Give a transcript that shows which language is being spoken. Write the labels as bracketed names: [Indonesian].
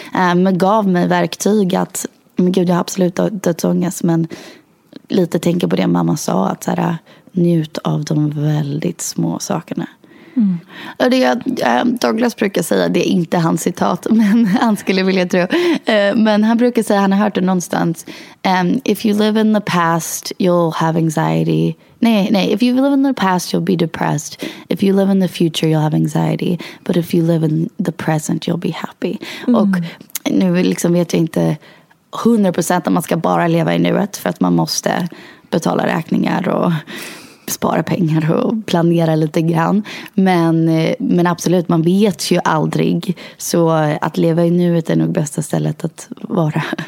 [Swedish] Men gav mig verktyg att, men gud, jag har absolut dödsångest, men lite tänker på det mamma sa, att så här, njut av de väldigt små sakerna. Mm. Det, Douglas brukar säga, det är inte hans citat, men han skulle vilja tro. Men han brukar säga, han har hört det någonstans. [English] If you live in the past, you'll have anxiety. [Swedish] Nej, [English] if you live in the past, you'll be depressed. If you live in the future, you'll have anxiety. But if you live in the present, you'll be happy. Mm. [Swedish] Och nu liksom vet jag inte 100% att man ska bara leva i nuet, för att man måste betala räkningar och spara pengar och planera lite grann. Men absolut, man vet ju aldrig. Så att leva i nuet är nog bästa stället att vara.